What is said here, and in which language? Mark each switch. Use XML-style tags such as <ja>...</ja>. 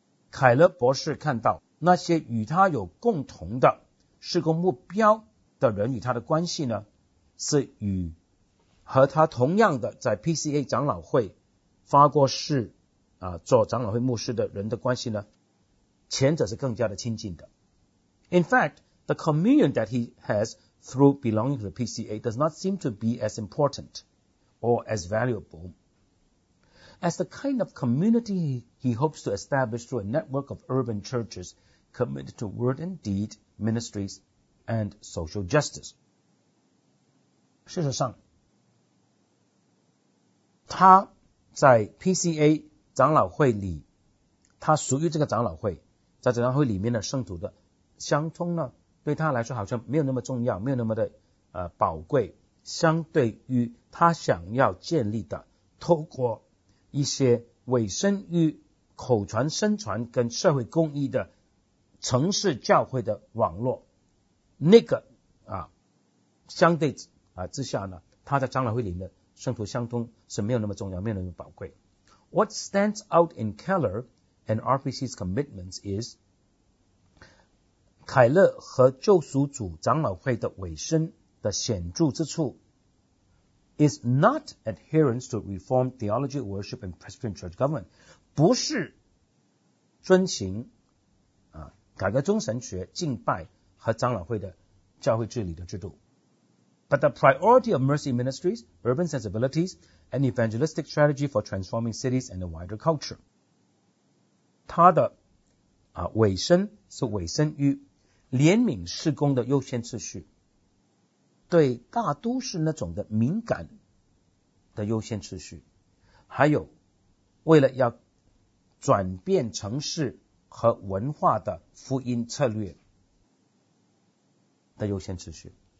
<zh>凯勒博士看到那些与他有共同的事工目标的人与他的关系呢，是与和他同样的在 PCA 长老会发过誓做长老会牧师的人的关系呢，前者是更加的亲近的。</zh> <en>In fact, the communion that he has through belonging to the PCA does not seem to be as important or as valuable as the kind of community he hopes to establish through a network of urban churches committed to word and deed, ministries, and social justice.</en> <zh>事实上，他在 PCA 长老会里，他属于这个长老会，在长老会里面的圣徒的相通呢，对他来说好像没有那么重要，没有那么的宝贵，相对于他想要建立的透过一些委身于口传身传跟社会公益的城市教会的网络，那个相对之下呢，他在长老会里面的圣徒相通是没有那么重要，没有那么宝贵。</zh> <en>What stands out in Keller and RPC's commitments is</en> <zh>凯勒和救赎主长老会的委身的显著之处</zh> <en>is not adherence to Reformed theology, worship and Presbyterian church government,</en> <zh>不是遵循改革宗神学敬拜和长老会的教会治理的制度。</zh> <en>But the priority of mercy ministries, urban sensibilities, and evangelistic strategy for transforming cities and the wider culture.</en> <zh>他的委身是委身于怜悯事工的优先次序，对大都市那种的敏感的优先次序，还有为了要转变城市和文化的福音策略的优先次序。</zh>